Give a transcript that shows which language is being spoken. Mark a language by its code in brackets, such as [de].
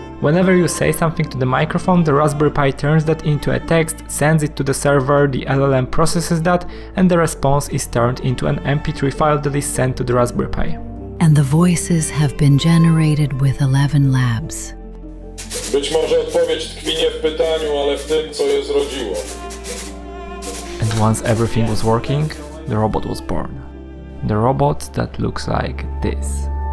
[en] Whenever you say something to the microphone, the Raspberry Pi turns that into a text, sends it to the server, the LLM processes that, and the response is turned into an MP3 file that is sent to the Raspberry Pi. And the voices have been generated with 11 labs. [pl] Być może odpowiedź tkwi nie w pytaniu, ale w tym, co je zrodziło. [en] And once everything was working, the robot was born. The robot that looks like this.